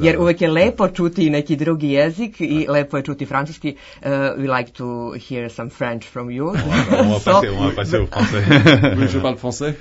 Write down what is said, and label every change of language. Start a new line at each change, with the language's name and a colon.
Serbian: jer uvek je lepo čuti neki drugi jezik i da. Lepo je čuti francuski.
English: We like to hear some French from you.
French: On va passer au français.